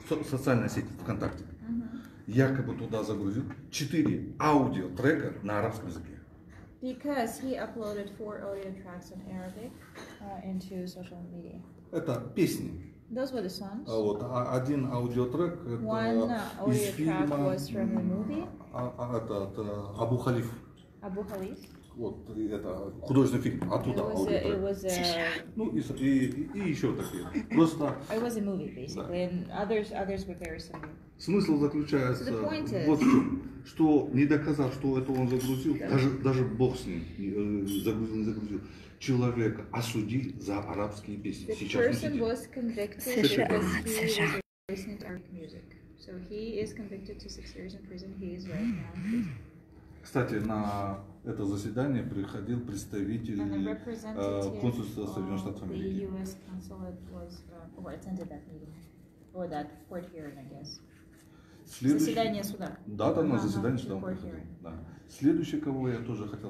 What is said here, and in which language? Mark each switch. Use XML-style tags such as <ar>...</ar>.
<ru>социальная сеть ВКонтакте, якобы туда загрузил 4 аудиотрека на арабском языке.</ru> <en>Because he uploaded 4 audio tracks in Arabic into social media.</en> <ru>Это песни.</ru> <en>Those were the songs.</en> <ru>Вот один аудиотрек это из фильма Абу Халиф. Абу Халиф. Вот это художественный фильм оттуда аудиотрек. Ну и еще такие. Просто.</ru> <en>It was a movie, basically, and others were very similar.</en> <ru>Смысл заключается вот в том, что не доказав, что это он загрузил, даже Бог с ним загрузил, не загрузил, человека осуди за арабские песни.</ru> <en>The</en> <ru>сейчас</ru> <en>person was convicted because he was listening to Arabic music. So he is convicted to 6 years in prison. He is right now.</en> <ru>Кстати, на это заседание приходил представитель консульства Соединенных Штатов Америки.</ru> <en>The US consulate was attended that meeting or that court hearing, I guess.</en> <ru>Заседание суда. Да, там на заседание суда. Следующее, кого я тоже хотел</ru>